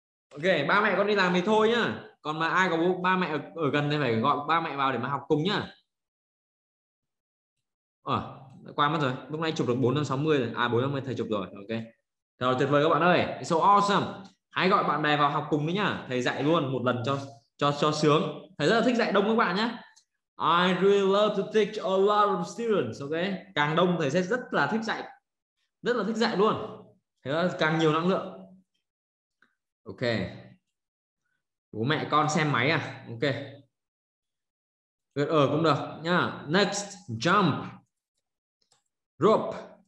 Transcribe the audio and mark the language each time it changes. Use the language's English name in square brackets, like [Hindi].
[Vietnamese] Ok, ba mẹ con đi làm thì thôi nhá. Còn mà ai có bố, ba mẹ ở gần thì phải gọi ba mẹ vào để mà học cùng nhá. Qua mất rồi. Lúc nãy chụp được 460 rồi. À 450 thầy chụp rồi. Ok. Rồi tuyệt vời các bạn ơi. [English] It's so awesome. [Vietnamese] Hãy gọi bạn bè vào học cùng đi nhá. Thầy dạy luôn một lần cho sướng. Thầy rất là thích dạy đông các bạn nhá. [English] I really love to teach a lot of students. Ok. [Vietnamese] Càng đông thầy sẽ rất là thích dạy. Rất là thích dạy luôn. Thế là càng nhiều năng lượng. Ok. Bố mẹ con xem máy à? Ok. Ở cũng được nhá. [English] Next, jump. Rope.